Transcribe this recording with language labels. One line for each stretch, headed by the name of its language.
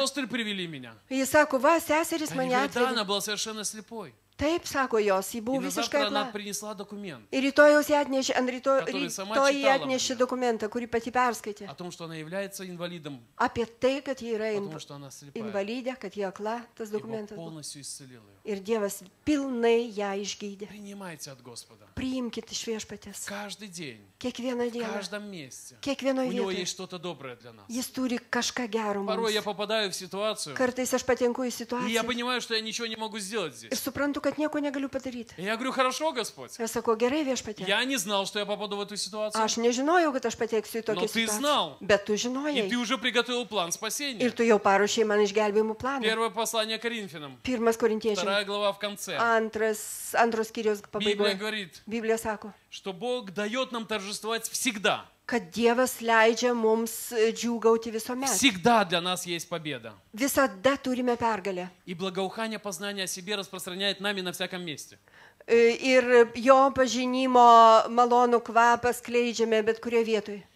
Russian: Вот сестры привели меня.
Lithuanian: Ji sako, va, seserys mane atvedė.
Russian: Она была совершенно слепой.
Lithuanian: Taip, sako jos, ji buvo visiškai akla. Ir rytoj jos atnešė, rytoj jį atnešė dokumentą, kurį pati perskaitė. Apie tai, kad ji yra invalidė, kad ji akla, tas dokumentas. Ir Dievas pilnai ją išgydė. Priimkite iš viešpaties. Kiekvieną dieną. Kiekvienoje vietoje. Jis turi kažką gero mums. Kartais aš patenku į situaciją. Ir suprantu, kad nieko negaliu padaryti.
Russian: Я говорю, хорошо, Господь.
Lithuanian: Aš sakau, gerai, viešpatie.
Russian: Я не знал, что я попаду в эту ситуацию.
Lithuanian: Aš nežinojau, kad aš pateksiu į tokią situaciją.
Russian: Но ты знал.
Lithuanian: Bet tu žinojai.
Russian: И ты уже приготовил план спасения.
Lithuanian: Ir tu jau paruošei man išgelbėjimo planą.
Russian: Первое послание Коринфянам.
Lithuanian: Pirmas Korintiečiams.
Russian: Вторая глава в конце.
Lithuanian: Antras skyrius pabaigoje.
Russian: Библия говорит.
Lithuanian: Библия sako.
Russian: Что Бог дает нам торжествовать всегда.
Lithuanian: Kad Dievas leidžia mums džiūgauti visuomet.
Russian: Всегда для нас есть победа.
Lithuanian: Visada turime pergalę.
Russian: И благоухание познания о себе распространяет нами на всяком месте.
Lithuanian: Ir jo pažinimo malonų kvapą skleidžiame bet kurioje vietoje.